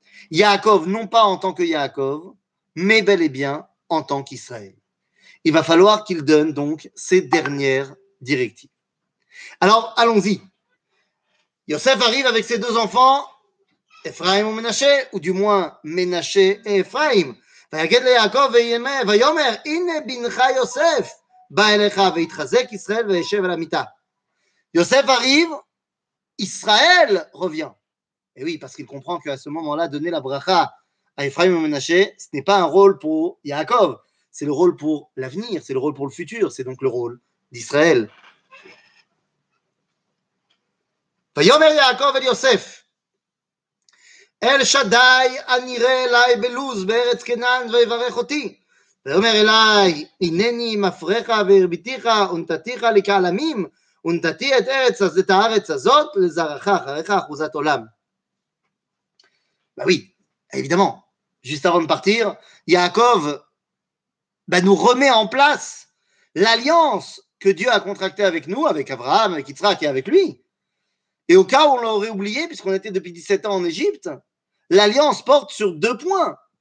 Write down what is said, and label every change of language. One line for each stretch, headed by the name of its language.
French: Yaakov, non pas en tant que Yaakov, mais bel et bien en tant qu'Israël. Il va falloir qu'il donne donc ses dernières directives. Alors, allons-y. Yosef arrive avec ses deux enfants, Ephraim ou Menaché, ou du moins Menaché et Ephraim.
Hebrew: ויגד ליעקב ויאמר הנה בנך יוסף בא אליך ויתחזק ישראל וישב על המיטה.
French: יוסף arrive, ישראל revient. Et oui, parce qu'il comprend qu'à ce moment-là, donner la bracha à Ephraim et Menaché, ce n'est pas un rôle pour Yaakov, c'est le rôle pour l'avenir, c'est le rôle pour le futur, c'est donc le rôle d'Israël.
Hebrew: ויאמר יעקב אל יוסף אל שדי הנראה אליי בלוז בארץ קנן ויברך אותי. ואומר אליי, הנני מפרך והרביתיך ונתתיך לקהל עמים, ונתתי את ארץ, את הארץ הזאת לזרעך אחריך אחוזת עולם.
French: Bah oui, évidemment, juste avant de partir, Yaakov nous remet en place l'alliance que Dieu a contractée avec nous, avec Abraham, avec Yitzhak et avec lui. Et au cas où on l'aurait oublié, puisqu'on était depuis 17 ans en Égypte, l'alliance porte sur deux points.